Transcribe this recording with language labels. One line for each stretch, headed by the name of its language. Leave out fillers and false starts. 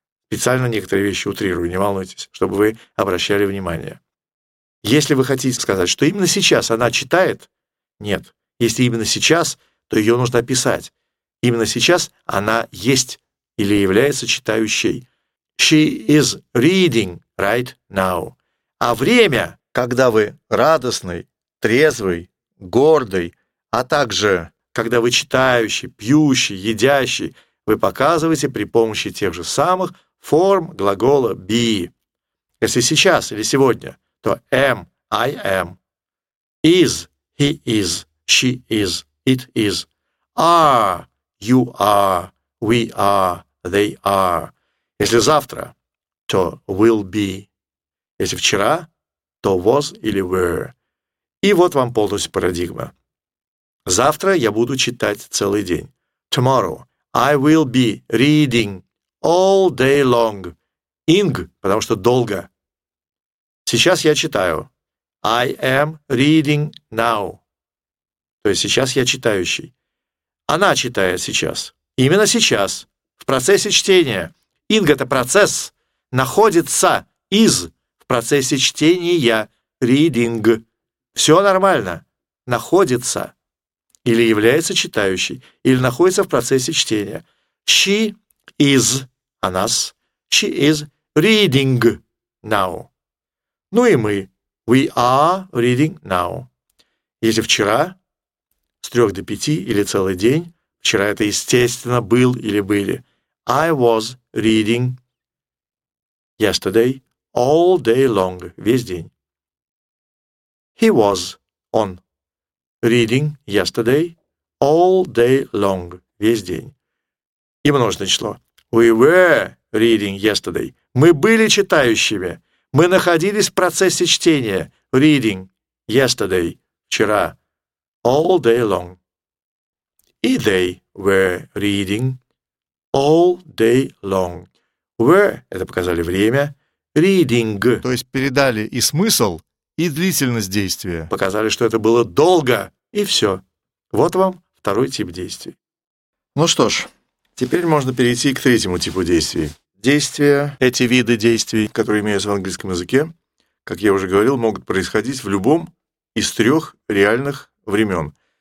Russian: Специально некоторые вещи утрирую, не волнуйтесь, чтобы вы обращали внимание. Если вы хотите сказать, что именно сейчас она читает, нет. Если именно сейчас, то ее нужно описать. Именно сейчас она есть или является читающей.
English: She is reading right now.
Russian: А время, когда вы радостный, трезвый, гордый, а также когда вы читающий, пьющий, едящий, вы показываете при помощи тех же самых форм глагола be. Если сейчас или сегодня, то am,
English: I am. Is, he is, she is, it is. Are, you are, we are, they are.
Russian: Если завтра, то will be. Если вчера, то was или were. И вот вам полностью парадигма. Завтра я буду читать целый день.
English: Tomorrow I will be reading all day long.
Russian: Ing, потому что долго. Сейчас я читаю.
English: I am reading now.
Russian: То есть сейчас я читающий. Она читает сейчас. Именно сейчас. В процессе чтения. Ing — это процесс. Находится из в процессе чтения. Reading. Все нормально. Находится. Или является читающей. Или находится в процессе чтения.
English: She is. Anas. She is reading now.
Russian: Ну и мы.
English: We are reading now.
Russian: Если вчера, с трех до пяти или целый день, вчера это, естественно, был или были.
English: I was reading yesterday all day long.
Russian: Весь день.
English: He was on reading yesterday all day long.
Russian: Весь день. И множественное число.
English: We were reading yesterday.
Russian: Мы были читающими. Мы находились в процессе чтения.
English: Reading yesterday. Вчера. All day long. И they were reading all day long.
Russian: Were – это показали время.
English: Reading.
Russian: То есть передали и смысл, и длительность действия. Показали, что это было долго. И все. Вот вам второй тип действий. Ну что ж, теперь можно перейти к третьему типу действий. Действия, эти виды действий, которые имеются в английском языке, как я уже говорил, могут происходить в любом из трех реальных времен.